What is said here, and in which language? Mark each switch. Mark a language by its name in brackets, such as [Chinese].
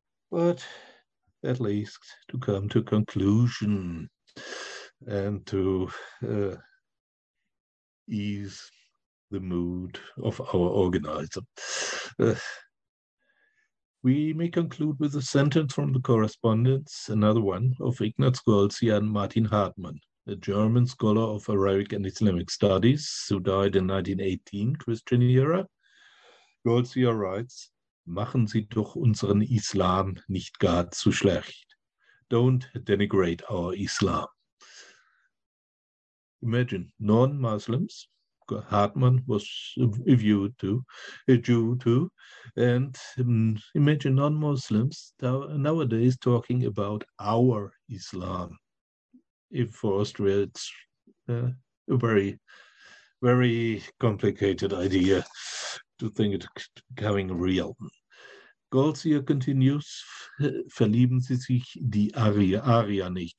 [English] But at least to come to conclusion and to ease the mood of our organizer. We may conclude with a sentence from the correspondence, another one of Ignaz Goetzia and Martin Hartmann, a German scholar of Arabic and Islamic studies who died in 1918, Christian era. Goetzia writes, [German] "Machen Sie doch unseren Islam nicht gar zu schlecht. [English] Don't denigrate our Islam." Imagine non-Muslims, Hartmann was a Jew too, and imagine non-Muslims nowadays talking about our Islam. If for Austria, it's a very, very complicated idea to think it becoming real. Goetzia continues, [German] "Verlieben Sie sich die Arier nicht.